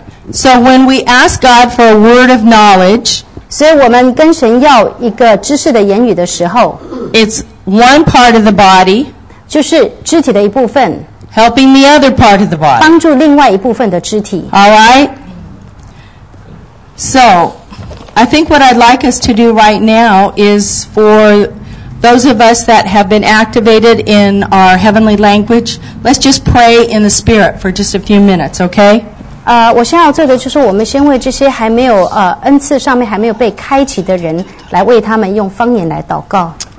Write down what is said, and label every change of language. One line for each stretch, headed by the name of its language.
English: So when we ask God for a word of knowledge,
Chinese: 所以我们跟神要一个知识的言语的时候,
English: it's one part of the body,
Chinese: 就是肢体的一部分,
English: helping the other part of the body.
Chinese: 帮助另外一部分的肢体.
English: Alright? So, I think what I'd like us to do right now is for those of us that have been activated in our heavenly language, let's just pray in the spirit for just a few minutes, okay?
Chinese: 我现在要做的就是我们先为这些还没有 恩赐上面还没有被开启的人来为他们用方言来祷告。